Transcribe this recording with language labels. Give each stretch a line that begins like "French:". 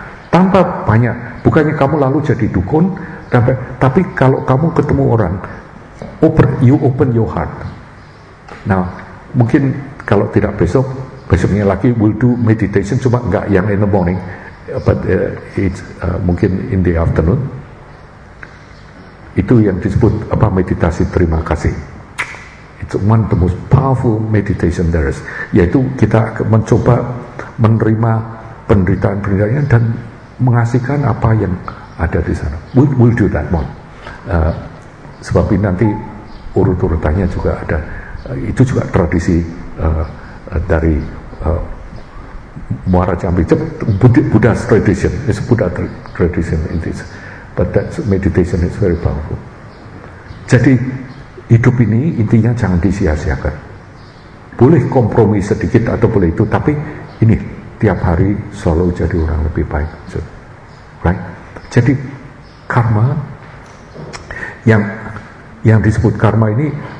Indonesian: Tanpa banyak, bukannya kamu lalu jadi dukun, tapi kalau kamu ketemu orang,
English: you open your heart.
Indonesian: Nah, mungkin kalau tidak besok, besoknya lagi
English: we'll do meditation,
Indonesian: cuma enggak yang
English: in the morning, but it's
Indonesian: mungkin
English: in the afternoon.
Indonesian: Itu yang disebut apa meditasi terima kasih.
English: It's one of the most powerful meditation there is.
Indonesian: Yaitu kita mencoba menerima penderitaan-penderitaan dan mengasihkan apa yang ada di sana.
English: We'll do that one.
Indonesian: Sebab ini nanti urut-urutannya juga ada. Itu juga tradisi dari Muara Jambi.
English: Buddha tradition. It's Buddha tradition in this. But that meditation is very powerful.
Indonesian: Jadi hidup ini intinya jangan disia-siakan. Boleh kompromi sedikit atau boleh itu, tapi ini tiap hari selalu jadi orang lebih baik.
English: So, right?
Indonesian: Jadi karma yang disebut karma ini